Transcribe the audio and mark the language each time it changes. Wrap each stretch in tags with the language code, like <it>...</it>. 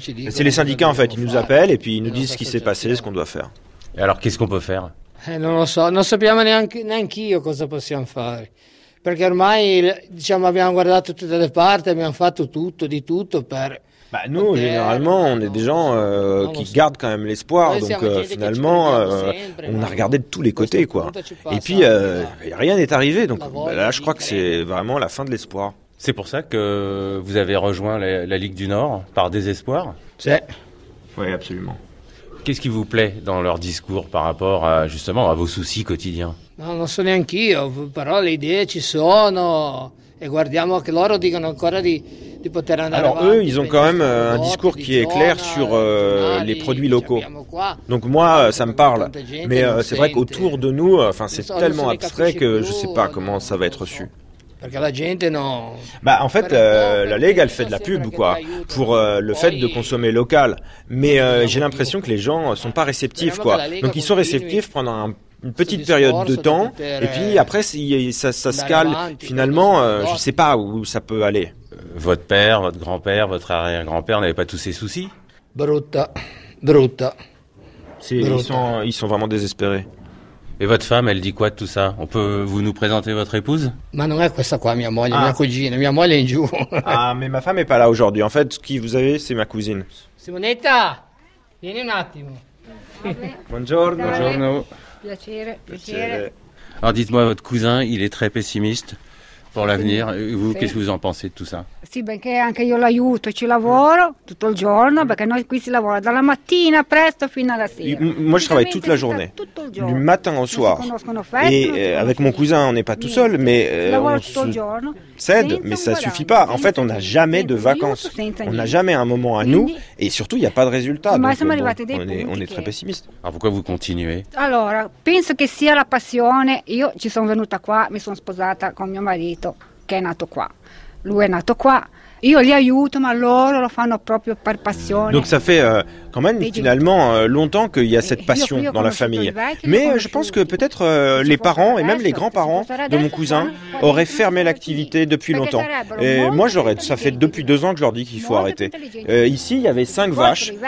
<fr>C'est les syndicats, en fait. Ils nous appellent et puis ils nous disent ce qui s'est passé, ce qu'on doit faire. Et alors, qu'est-ce qu'on peut faire?</fr> <it>Non lo so, non sappiamo neanche io cosa possiamo fare. Perché ormai diciamo abbiamo guardato tutte le parti, abbiamo fatto tutto di tutto per.</it> <fr>Bah, nous, généralement, on est des gens qui gardent quand même l'espoir. Donc, finalement, on a regardé de tous les côtés, quoi. Et puis, rien n'est arrivé. Donc, là, je crois que c'est vraiment la fin de l'espoir. C'est pour ça que vous avez rejoint la Ligue du Nord par désespoir? C'est. Oui, absolument. Qu'est-ce qui vous plaît dans leur discours par rapport à, justement, à vos soucis quotidiens?</fr> <it>Non, non so neanche io, però le idee ci sono e guardiamo che loro dicono ancora di poter andare avanti.</it> <fr>Alors eux, ils ont quand même un discours qui est clair sur les produits locaux. Donc moi, ça me parle. Mais c'est vrai qu'autour de nous, enfin, c'est tellement abstrait que je ne sais pas comment ça va être reçu.</fr> <it>Perché la gente non.</it> <fr>Bah, en fait, la Lega, elle fait de la pub, quoi, pour le fait de consommer local. Mais j'ai l'impression que les gens ne sont pas réceptifs, quoi. Donc ils sont réceptifs pendant une petite période de temps, et puis après, ça se cale. Finalement, je ne sais pas où ça peut aller. Votre père, votre grand-père, votre arrière-grand-père n'avaient pas tous ces soucis?</fr> <it>Brutta.</it> <fr>Ils sont vraiment désespérés. Et votre femme, elle dit quoi de tout ça? On peut vous nous présenter votre épouse?</fr> <it>Ma non è questa qua, mia moglie, mia cugina, mia moglie è in giù.</it> <fr>Ah, mais ma femme n'est pas là aujourd'hui. En fait, ce que vous avez, c'est ma cousine.</fr> <it>Simonetta, vieni un attimo.</it> <fr>Bonjour.</fr> <it>Piacere.</it> <fr>Alors dites-moi, votre cousin, il est très pessimiste pour l'avenir. Vous, qu'est-ce que vous en pensez de tout ça?</fr> <it>Sì, perché anche io l'aiuto, ci lavoro tutto il giorno, perché noi qui si lavora dalla mattina presto fino alla sera.</it> <fr>Moi, je travaille toute la journée, du matin au soir. Et avec mon cousin, on n'est pas tout seul, mais on cède, mais ça ne suffit pas. En fait, on n'a jamais de vacances. On n'a jamais un moment à nous, et surtout, il n'y a pas de résultat. On est très pessimiste. Alors, pourquoi vous continuez? Alors, je pense que c'est la passion.</fr> <it>Io ci sono venuta qua, mi sono sposata con mio marito, che è nato qua. Lui est nato qua. Io li aiuto, ma loro lo fanno proprio par passione.</it> <fr>Donc ça fait quand même finalement longtemps qu'il y a cette passion dans la famille. Mais je pense que peut-être les parents et même les grands-parents de mon cousin auraient fermé l'activité depuis longtemps. Et moi, ça fait depuis 2 ans que je leur dis qu'il faut arrêter. Ici, il y avait 5 vaches.</fr>